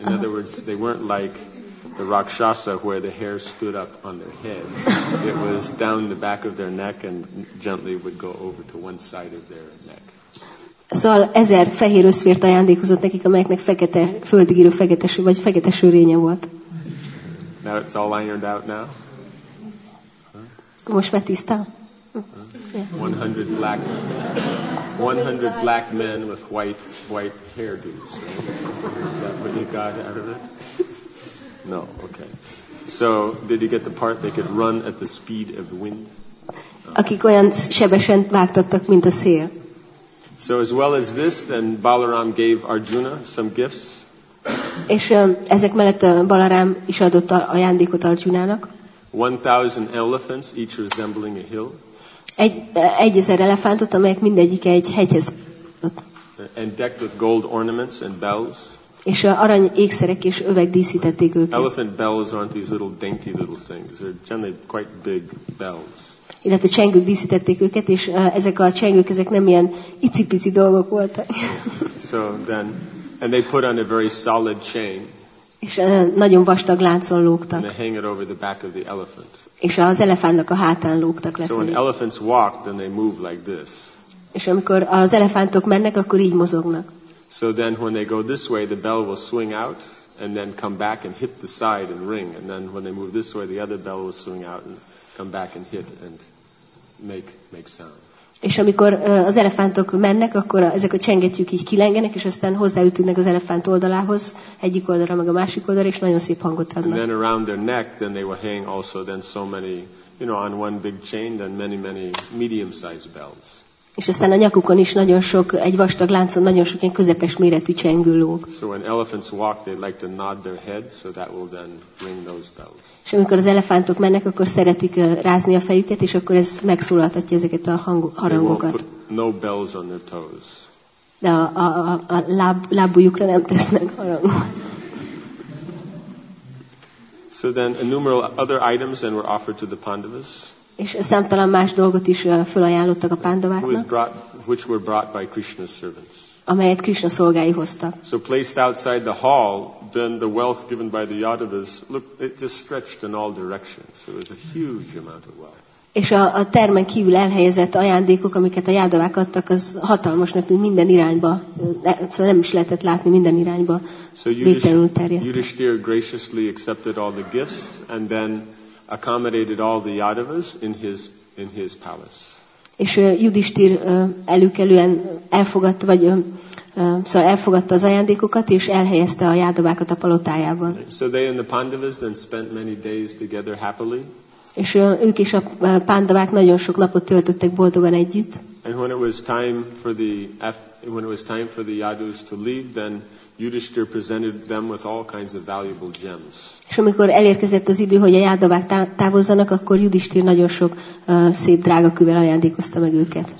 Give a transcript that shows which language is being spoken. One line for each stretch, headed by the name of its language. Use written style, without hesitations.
English: In other words, they weren't like the Rakshasa, where the hair stood up on their head. It was down the back of their neck and gently would go over to one side of their neck.
Hungarian: Szóval 1,000 fehér összvért ajándékozott nekik, amelyeknek fekete földigírő fekete sörénye volt.
English: Now it's all ironed out now.
Hungarian: Huh? Most már tiszta. Huh?
English: Yeah. 100 black, 100 black men with white hairdos. Right? Is that what you got out of it? No, okay. So did you get the part they could run at the speed of the wind? Oh.
Hungarian: Akik olyan sebesen vágtattak, mint a szél.
English: So as well as this, then Balaram gave Arjuna some gifts.
Hungarian: És ezek mellett Balaram is adott ajándékot Arjunának.
English: 1,000 elephants, each resembling a hill.
Hungarian: Egy 1,000 elefántot, amelyek mindegyik egy hegyhez.
English: And decked with gold ornaments and bells.
Hungarian: És arany ékszerek és övek díszítették őket.
English: Elephant bells aren't these little dainty little things. They're generally quite big bells.
Hungarian: Illetve csengők díszítették őket, és ezek a csengők, ezek nem ilyen icipici dolgok voltak.
English: So then, and they put on a very solid chain.
Hungarian: És nagyon vastag láncon lógtak.
English: And they hang it over the back of the elephant.
Hungarian: És az elefántnak a hátán lógtak lefelé.
English: So when elephants walk, then they move like this.
Hungarian: És amikor az elefántok mennek, akkor így mozognak.
English: So then when they go this way, the bell will swing out, and then come back and hit the side and ring. And then when they move this way, the other bell will swing out and come back and hit and make sound.
Hungarian: És amikor az elefántok mennek, akkor ezek a csengetjük így kilengenek, és aztán hozzáütünk az elefánt oldalához, egyik oldalra meg a másik oldalra, és nagyon szép hangot adnak.
English: And then around their neck, then they will hang also then so many, you know, on one big chain, then many medium-sized bells.
Hungarian: És aztán a nyakukon is nagyon sok, egy vastag láncon nagyon sok ilyen közepes méretű csengő lóg.
English: So when elephants walk, they like to nod their heads, so that will then ring those bells.
Hungarian: És amikor az elefántok mennek, akkor szeretik rázni a fejüket, és akkor ez megszólaltatja ezeket a harangokat.
English: They won't put no bells on their toes.
Hungarian: De a lábujjukra nem tesznek harangot.
English: So then innumerable other items then were offered to the Pandavas.
Hungarian: És számtalan más dolgot is felajánlottak a pándováknak.
English: Which were brought by Krishna's servants.
Hungarian: Amelyet Krishna szolgái hoztak.
English: So placed outside the hall, then the wealth given by the Yadavas, look, it just stretched in all directions. So it was a huge amount of wealth.
Hungarian: És a termen kívül elhelyezett ajándékok, amiket a jádavák adtak, az hatalmasnak tűnt minden irányba. Szóval nem is lehetett látni minden irányba. So végtelenül terjedt.
English: Yudhishthira graciously accepted all the gifts, and then accommodated all the Yadavas in his palace.
Hungarian: És Yudhishthir előkelően elfogadta, vagy szóval elfogadta az ajándékokat, és elhelyezte a jádavákat a palotájában.
English: So they and the Pandavas then spent many days together happily.
Hungarian: És ők is a pándavák nagyon sok napot töltöttek boldogan együtt.
English: And when it was time for the Yadus to leave, then Yudhishthir presented them with all kinds of valuable gems.
Hungarian: És amikor elérkezett az idő, hogy a jádavák távozzanak, akkor Yudhishthir nagyon sok szép drága kővel ajándékozta meg őket.